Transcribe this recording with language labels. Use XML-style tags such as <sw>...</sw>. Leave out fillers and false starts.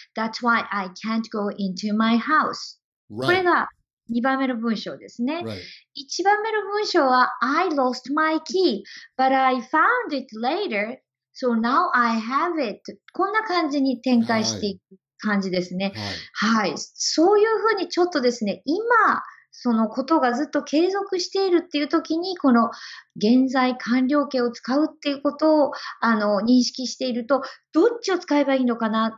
<en>That's why I can't go into my house.、 Right.</en> <ja>これが2番目の文章ですね。 1番目の文章は</ja> <en>I lost my key, but I found it later. So now I have it.</en> <ja>こんな感じに展開していく感じですね。はい。はい、そういうふうにちょっとですね、今、そのことがずっと継続しているっていう時に、この現在完了形を使うっていうことを、認識していると、どっちを使えばいいのかな？</ja>